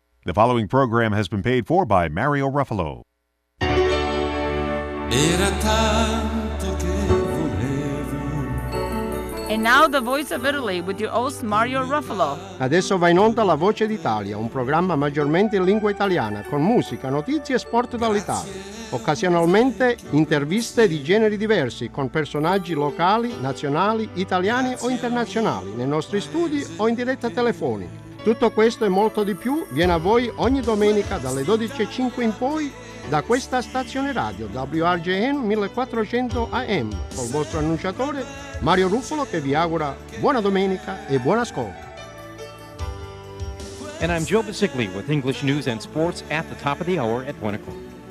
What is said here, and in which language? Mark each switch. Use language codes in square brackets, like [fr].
[en] The following program has been paid for by Mario Ruffalo. [it] Era tanto che volevo. [en] And now the Voice of Italy with your host Mario Ruffalo. [it] Adesso va in onda La Voce d'Italia, un programma maggiormente in lingua italiana, con musica, notizie e sport dall'Italia. Occasionalmente interviste di generi diversi con personaggi locali, nazionali, italiani o internazionali, nei nostri studi o in diretta telefonica. Tutto questo e molto di più viene a voi ogni domenica dalle 12.05 in poi da questa stazione radio WRJN 1400 AM col vostro annunciatore Mario Ruffalo che vi augura buona domenica e buon ascolto. [en] And I'm Joe Basigli with English News and Sports at the top of the hour at 1 o'clock.